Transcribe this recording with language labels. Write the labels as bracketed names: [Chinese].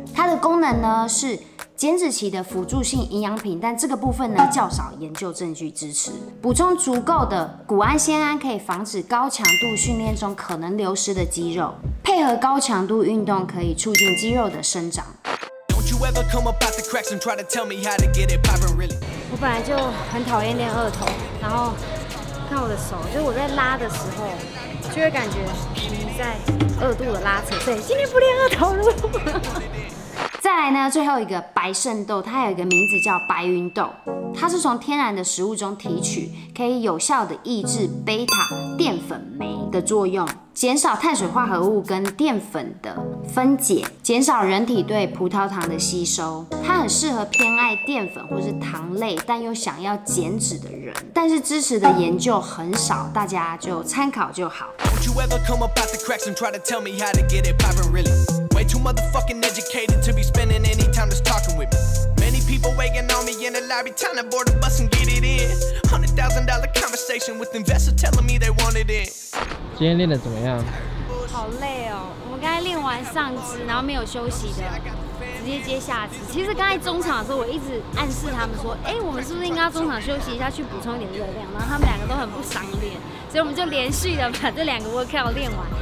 [Chinese] 它的功能呢是减脂期的辅助性营养品，但这个部分呢较少研究证据支持。补充足够的谷氨酰胺可以防止高强度训练中可能流失的肌肉，配合高强度运动可以促进肌肉的生长。 [English] Don't you ever come up out the cracks and try to tell me how to get it poppin' really? [Chinese] 我本来就很讨厌练二头，然后看我的手，就是我在拉的时候就会感觉在二度的拉扯，所以今天不练二头了。再来呢，最后一个白肾豆，它有一个名字叫白云豆，它是从天然的食物中提取，可以有效的抑制贝塔淀粉酶的作用，减少碳水化合物跟淀粉的分解，减少人体对葡萄糖的吸收。它很适合偏爱淀粉或是糖类，但又想要减脂的人。但是支持的研究很少，大家就参考就好。 [English] Don't you ever come up out the cracks and try to tell me how to get it poppin' really? Way too motherfucking educated to be spending any time just talking with me. Many people waiting on me in the lobby, trying to board a bus and get it in. $100,000 conversation with investors telling me they wanted in. [Chinese] 今天练得怎么样？好累哦，我们刚才练完上肢，然后没有休息的，直接接下肢。其实刚才中场的时候，我一直暗示他们说，哎，我们是不是应该中场休息一下，去补充一点热量？然后他们两个都很不赏脸，所以我们就连续的把这两个 workout 练完。